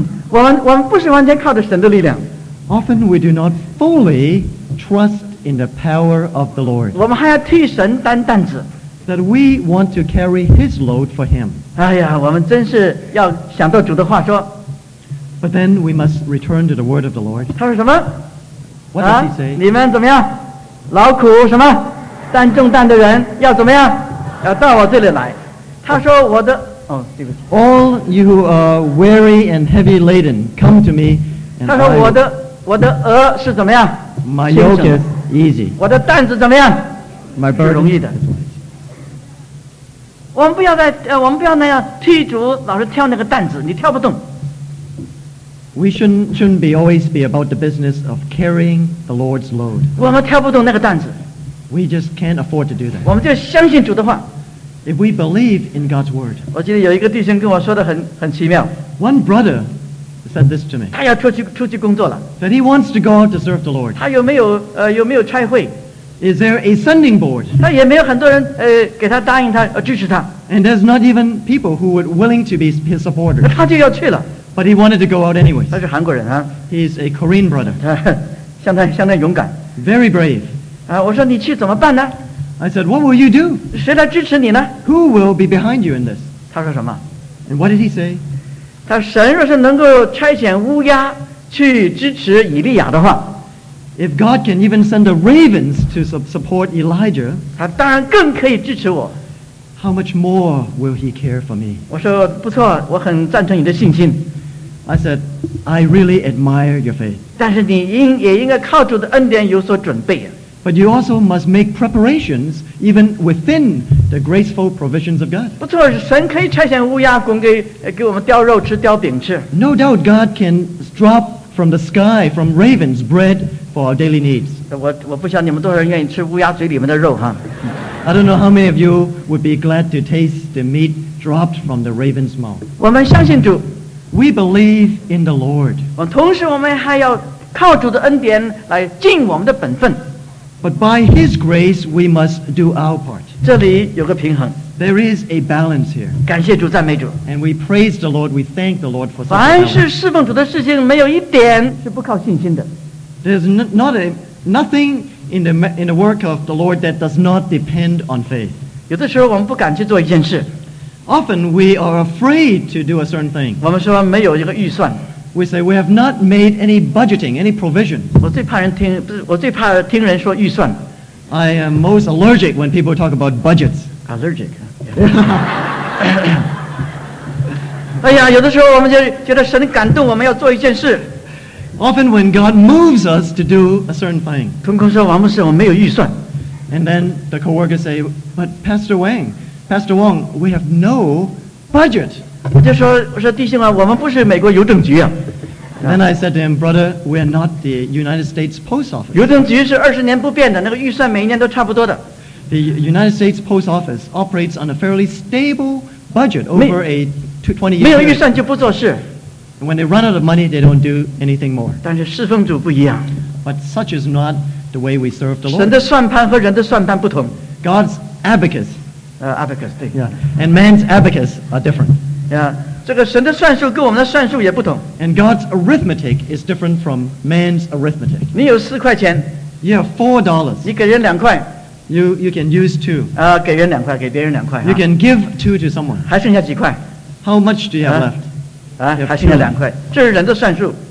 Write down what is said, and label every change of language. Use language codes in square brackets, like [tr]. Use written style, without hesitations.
[zh] 我们不是完全靠着神的力量。 [en] Often we do not fully trust in the power of the Lord. [zh] 我们还要替神担担子。 [en] That we want to carry his load for him. [zh] 哎呀，我们真是要想到主的话说。 [en] But then we must return to the word of the Lord. [zh] 他说什么？ [en] What does he say? [zh] 你们怎么样？劳苦什么？担重担的人要怎么样？要到我这里来。他说我的……哦，对不起。 [en] All you who are weary and heavy laden, come to me. [zh] 他说我的轭是怎么样？ [en] My yoke is easy. [zh] 我的担子怎么样？ [en] My burden [zh] 是容易的。我们不要再我们不要那样替主老是挑那个担子，你挑不动。 [en] We shouldn't be always be about the business of carrying the Lord's load. [zh] 我们挑不动那个担子。 [en] We just can't afford to do that. [zh] 我们就相信主的话。 [en] If we believe in God's word. [zh] 我记得有一个弟兄跟我说的很奇妙。 [en] One brother said this to me. [zh] 他要出去工作了。 [en] That he wants to go out to serve the Lord. [zh] 他有没有差会？ [en] Is there a sending board? [zh] 他也没有很多人给他答应他支持他。 [en] And there's not even people who would willing to be his supporters. [zh] 他就要去了。 [en] But he wanted to go out anyway. [zh] 他是韩国人啊。 [en] He's a Korean brother. [zh] 相当勇敢。 [en] Very brave. [zh] 啊，我说你去怎么办呢？ [en] I said, what will you do? [zh] 谁来支持你呢？ [en] Who will be behind you in this? [zh] 他说什么？ [en] And what did he say? [zh] 他神若是能够差遣乌鸦去支持以利亚的话， [en] If God can even send the ravens to support Elijah, [zh] 他当然更可以支持我。 [en] How much more will he care for me? [zh] 我说不错，我很赞成你的信心。 [en] I said, I really admire your faith. [zh] 但是你也应该靠主的恩典有所准备。 [en] But you also must make preparations even within the graceful provisions of God. [zh] 不错，神可以差遣乌鸦滚给我们叼肉吃，叼饼吃。 [en] No doubt, God can drop from the sky from ravens bread for our daily needs. [zh] 我不晓得你们多少人愿意吃乌鸦嘴里面的肉哈。 [en] I don't know how many of you would be glad to taste the meat dropped from the raven's mouth. [zh] 我们相信主。 [en] We believe in the Lord. [zh] 同时我们还要靠主的恩典来尽我们的本分。 [en] But by His grace, we must do our part. [zh] 这里有个平衡。 [en] There is a balance here. [zh] 感谢主，赞美主。 [en] And we praise the Lord, we thank the Lord for such a balance. [zh] 凡是侍奉主的事情，没有一点是不靠信心的。 [en] There's nothing in the work of the Lord that does not depend on faith. [zh] 有的时候我们不敢去做一件事。 [en] Often we are afraid to do a certain thing. [zh] 我们说没有一个预算。 [en] We say we have not made any budgeting, any provision. [zh] 我最怕听人说预算。 [en] I am most allergic when people talk about budgets. Allergic. [zh] 哎呀，有的时候我们就觉得神感动我们要做一件事。 [en] Often when God moves us to do a certain thing. [zh] 通工说王牧师我没有预算。 [en] And then the coworkers say, but Pastor Wong, we have no budget. [zh] 我说弟兄啊，我们不是美国邮政局啊。 [en] And then I said to him, brother, we are not the United States Post Office. [zh] 邮政局是20年不变的，那个预算每一年都差不多的。 [en] The United States Post Office operates on a fairly stable budget over a 20 years. [zh] 没有预算就不做事。 [en] When they run out of money, they don't do anything more. [zh] 但是侍奉主不一样。 [en] But such is not the way we serve the Lord. [zh] 神的算盘和人的算盘不同。 [en] God's abacus. Abacus, 对。 Yeah. And man's abacus are different. Yeah. [zh] 这个神的算术跟我们的算术也不同。 [en] And God's arithmetic is different from man's arithmetic. [zh] 你有四块钱。 [en] You have $4. [zh] 你给人两块。 [en] You can use two. [zh] 给人两块，给别人两块。 [en] You can give two to someone. [zh] 还剩下几块。 [en] How much do you have left? [zh] 还剩下两块。这是人的算术。